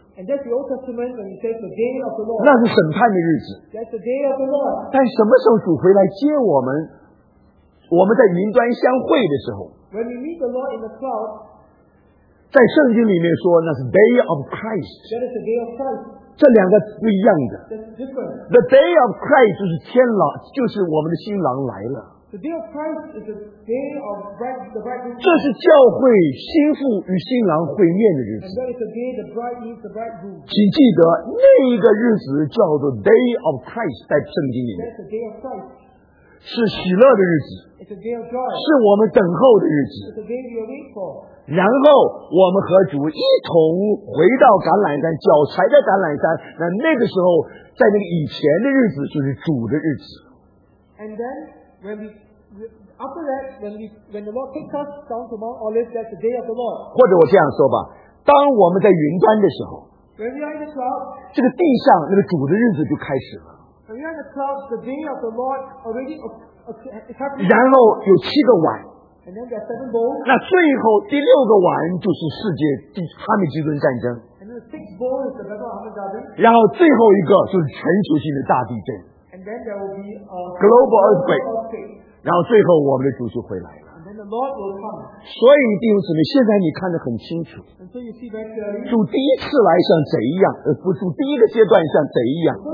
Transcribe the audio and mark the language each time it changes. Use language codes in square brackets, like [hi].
[en] And that's the Old Testament when it says the day of the Lord. [zh] 那是审判的日子。 [en] That's the day of the Lord. [zh] 但什么时候主回来接我们？我们在云端相会的时候。 [en] When we meet the Lord in the cloud. [zh] 在圣经里面说那是 [en] day of Christ. That is the day of Christ. [zh] 这两个不一样的。 [en] The day of Christ [zh] 就是天老，就是我们的新郎来了。 [en] The day of Christ is the day of the bridegroom. [zh] 这是教会新妇与新郎会面的日子。 [en] And that is the day the bride meets the bridegroom. [zh] 请记得那一个日子叫做 [en] day of Christ， [zh] 在圣经里面。 [en] That's the day of Christ. [zh] 是喜乐的日子。 [en] It's a day of joy. [zh] 是我们等候的日子。 [en] It's the day we await for. [zh] 然后我们和主一同回到橄榄山，脚踩在橄榄山。那那个时候，在那个以前的日子，就是主的日子。 [en] And then when we after that when the Lord takes us down to Mount Olives, that's the day of the Lord. [zh] 或者我这样说吧，当我们在云端的时候 [en] ，when we are in the clouds, [zh] 这个地上那个主的日子就开始了。 [en] When we are in the clouds, the day of the Lord already is happening. [zh] 然后有七个碗。 [en] And then there are seven bowls. [zh] 那最后第六个碗就是世界第哈密基顿战争。 [en] And then the sixth bowl is the Battle of Armageddon. [zh] 然后最后一个就是全球性的大地震。 [en] And then there will be a global earthquake. [zh] 然后最后我们的主就回来了。 [en] And then the Lord will come. [zh] 所以弟兄姊妹，现在你看得很清楚。 [en] And so you see very clearly. [zh] 主第一次来像贼一样，不，主第一个阶段像贼一样。